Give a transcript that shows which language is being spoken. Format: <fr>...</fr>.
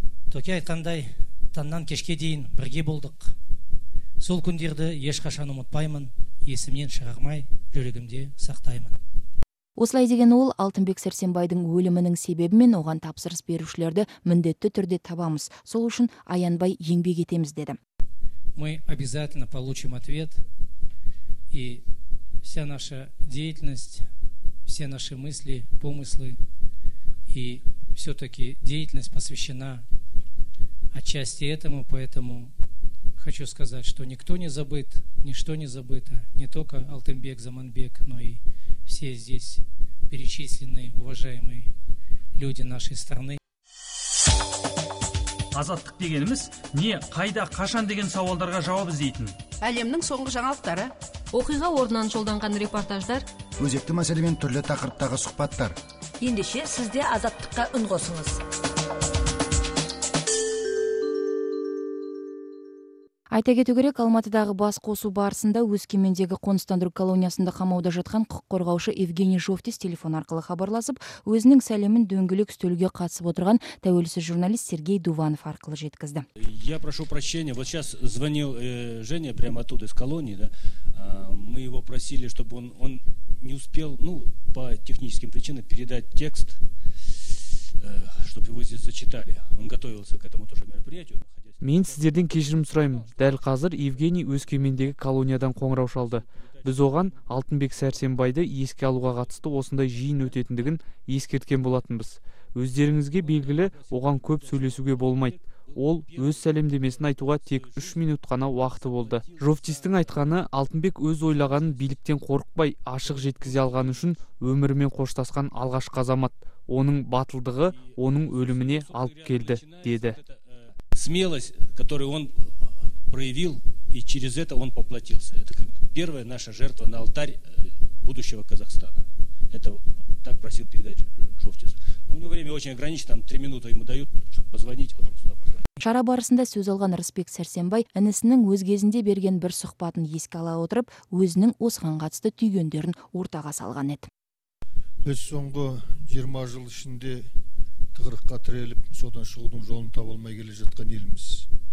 <kk>Төке айтқандай, таңнан кешке дейін бірге болдық. Сол күндерді ешқашан ұмытпаймын, есімнен шығармай, жүрегімде сақтаймын. Осылай деген ол, Алтынбек Сарсенбайдың өлімінің себебімен оған тапсырыс берушілерді міндетті түрде табамыз. Сол үшін аянбай еңбек етеміз деді.</kk> <ru>Мы обязательно получим ответ, и вся наша деятельность, все наши мысли, помыслы и все-таки деятельность посвящена отчасти этому, поэтому хочу сказать, что никто не забыт, ничто не забыто, не только Алтынбек Заманбек, но и все здесь перечисленные уважаемые люди нашей страны.</ru> <kk>Азаттық дегеніміз не, қайда, қашан деген сауалдарға жауап іздейтін. Әлемнің соңғы жаңалықтары, оқиға орнынан жолданған репортаждар, өзекті мәселемен түрлі тақырыптағы сұхбаттар. Ендеше сізде азаттыққа үн қосыңыз. Айта кету керек, Алматыдағы бас қосу барысында Өскемендегі қоныстандыру колониясында қамауда жатқан құқық қорғаушы Евгений Жовтис телефон арқылы хабарласып, өзінің сәлемін дөңгелек үстелге қатысып отырған тәуелсіз журналист Сергей Дуванов арқылы жеткізді.</kk> <ru>Я прошу прощения, вот сейчас звонил Женя прямо оттуда из колонии, да? Мы его просили, чтобы он не успел, ну, по техническим причинам передать текст, чтобы его здесь зачитали. Он готовился к этому тоже мероприятию.</ru> <kk>Мен сіздерден кешірім сұраймын. Дәл қазір Евгений Өскемендегі колониядан қоңырау шалды. Біз оған Алтынбек Сарсенбайды еске алуға қатысты осындай жиын өтетіндігін ескерткен болатынбыз. Өздеріңізге белгілі, оған көп сөйлесуге болмайды. Ол өз сәлемдемесін айтуға тек 3 минут қана уақыты болды. Жовтистің айтқаны, Алтынбек өз ойлағанын биліктен қорықпай ашық жеткізе алғаны үшін өмірімен қоштасқан алғашқы азамат. Оның батылдығы оның өліміне алып келді, деді.</kk> <ru>Смелость, которую он проявил, и через это он поплатился. Это как первая наша жертва на алтарь будущего Казахстана. Это так просил передать Жовтис. У него время очень ограничено, там 3 минуты ему дают, чтобы позвонить, вот он сюда позвонит.</ru> <kk>Шара барысында сөз алған Рысбек Сарсенбай інісінің өз кезінде берген бір сұхбатын еске ала отырып, өзінің осыған қатысты түйгендерін ортаға салған еді. Біз соңғы 20 жыл ішінде тығырыққа тіреліп, содан шығудың жолын таба алмай келе жатқан еліміз.</kk>